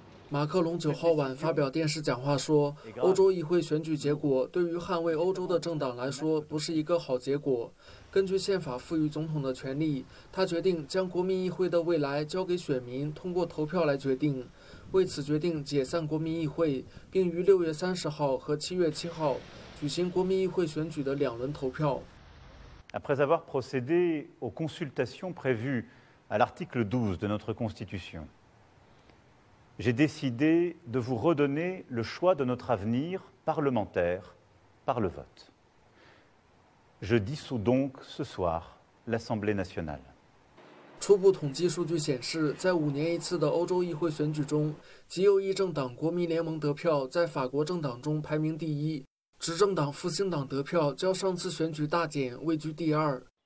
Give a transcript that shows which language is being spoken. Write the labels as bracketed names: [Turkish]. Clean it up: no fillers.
[Chinese] 马克龙九号晚发表电视讲话说，欧洲议会选举结果对于捍卫欧洲的政党来说不是一个好结果。根据宪法赋予总统的权利，他决定将国民议会的未来交给选民通过投票来决定，为此决定解散国民议会，并于6月30号和7月7号举行国民议会选举的两轮投票。 [French] Après avoir procédé aux consultations prévues à l'article 12 de notre Constitution, j'ai décidé de vous redonner le choix de notre avenir parlementaire par le vote. Je dissous donc ce soir l'Assemblée nationale. [Chinese] 初步统计数据显示，在五年一次的欧洲议会选举中，极右翼政党国民联盟得票在法国政党中排名第一。执政党复兴党得票较上次选举大减，位居第二。